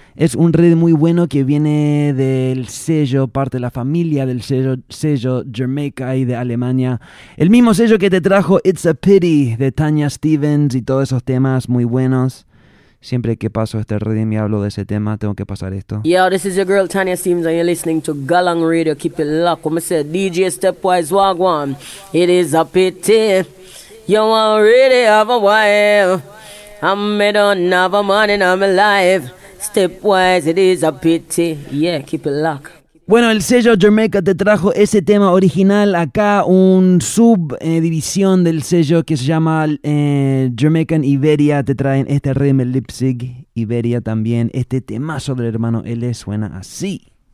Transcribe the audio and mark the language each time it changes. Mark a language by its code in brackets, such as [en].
[es] Es un rhythm muy bueno que viene del sello, parte de la familia del sello Jamaica y de Alemania. El mismo sello que te trajo It's a Pity de Tanya Stevens y todos esos temas muy buenos. Siempre que paso este rhythm y hablo de ese tema, tengo que pasar esto. [en] Yo, this is your girl Tanya Stevens and you're listening to Galang Radio. Keep it locked. Como se DJ Stepwise Wagwan. It is a pity you already have a wife. I don't have a man in my life. Stepwise, it is a pity. Yeah, keep it locked. [es] Bueno, el sello Jamaica te trajo ese tema original acá, un subdivisión del sello que se llama Jamaican Iberia. Te traen este rhythm, el Leipzig Iberia también. Este temazo del hermano L suena así.